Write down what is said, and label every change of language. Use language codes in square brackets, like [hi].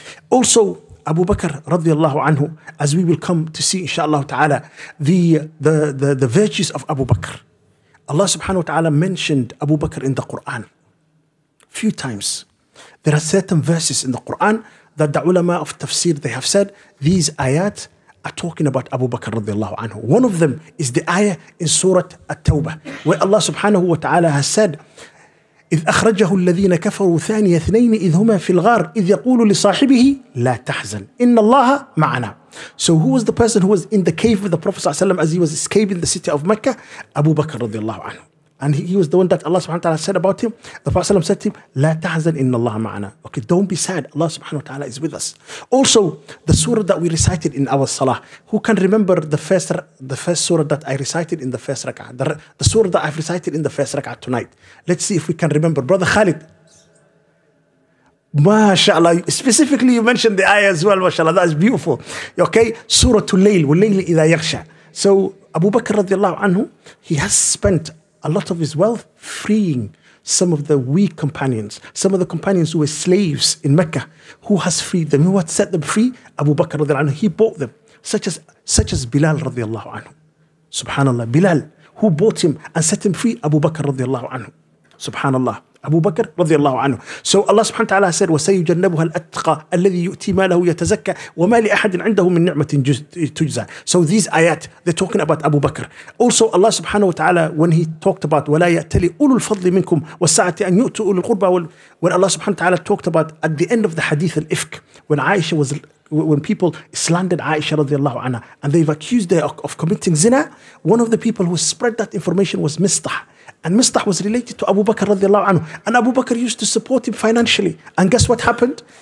[en] Also, Abu Bakr radiallahu anhu, as we will come to see inshaAllah ta'ala, the virtues of Abu Bakr. Allah subhanahu wa ta'ala mentioned Abu Bakr in the Quran few times. There are certain verses in the Quran that the ulama of tafsir, they have said these ayat are talking about Abu Bakr radiallahu anhu. One of them is the ayah in Surah At-Tawbah, where Allah subhanahu wa ta'ala has said, [ar] إِذْ أَخْرَجَهُ الَّذِينَ كَفَرُوا ثَانِيَ اثْنَيْنِ إِذْ هُمَا فِي الْغَارِ إِذْ يَقُولُ لِصَاحِبِهِ لَا تَحْزَنْ إِنَّ اللَّهَ مَعَنَا. [en] So who was the person who was in the cave with the Prophet Sallallahu Alaihi Wasallam as he was escaping the city of Mecca? Abu Bakr radiallahu anhu. And he was the one that Allah subhanahu wa ta'ala said about him. The Prophet said to him, [ar] لا تحزن إن الله معنا. [en] Okay, don't be sad. Allah subhanahu wa ta'ala is with us. Also, the surah that we recited in our salah. Who can remember the first surah that I recited in the first rak'ah? The surah that I've recited in the first rak'ah tonight. Let's see if we can remember. Brother Khalid. MashaAllah. Specifically, you mentioned the ayah as well. MashaAllah. That is beautiful. Okay. Surah Al-Layl. Wal-Layl Iza Yaghsha. So, Abu Bakr radiallahu anhu, he has spent a lot of his wealth freeing some of the weak companions, some of the companions who were slaves in Mecca. Who has freed them? Who had set them free? Abu Bakr radiallahu anhu. He bought them, such as Bilal radiallahu anhu. Subhanallah. Bilal, who bought him and set him free? Abu Bakr radiallahu anhu. Subhanallah. Abu Bakr radiallahu anhu. So Allah subhanahu wa ta'ala said, [ar] وَسَيُجَنَّبُهَا الْأَتْقَى الَّذِي يُؤْتِي مَالَهُ يَتَزَكَّى وَمَا لِأَحَدٍ عِنْدَهُ مِنْ نِعْمَةٍ تُجْزَى. [en] So these ayat, they're talking about Abu Bakr. Also Allah subhanahu wa ta'ala, when he talked about [ar] وَلَا يَأْتَلِ أُولُو الْفَضْلِ مِنْكُمْ وَالسَّعَةِ أَنْ يُؤْتُوا أُولُو الْقُرْبَى. [en] When Allah subhanahu wa ta'ala talked about at the end of the hadith al-ifk, when Aisha was, when people slandered Aisha radiallahu anha and they've accused her of committing zina, one of the people who spread that information was Mistah. And Mistah was related to Abu Bakr radiallahu anhu. And Abu Bakr used to support him financially. And guess what happened?